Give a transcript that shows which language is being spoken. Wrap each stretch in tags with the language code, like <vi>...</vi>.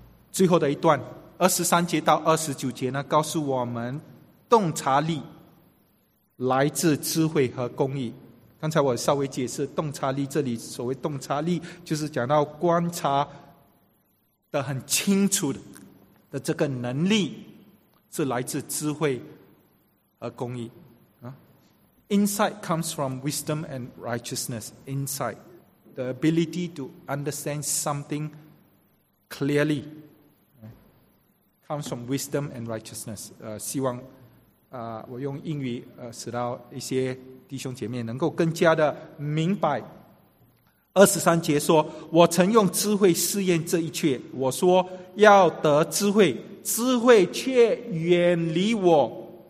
<zh>最后的一段，二十三节到二十九节呢，告诉我们洞察力来自智慧和公义。刚才我稍微解释洞察力，这里所谓洞察力就是讲到观察的很清楚的这个能力是来自智慧和公义。</zh> <en>Insight comes from wisdom and righteousness. Insight, the ability to understand something clearly, comes from wisdom and righteousness.</en> <zh>希望我用英语使到一些弟兄姐妹能够更加的明白。二十三节说，我曾用智慧试验这一切，我说要得智慧，智慧却远离我。</zh>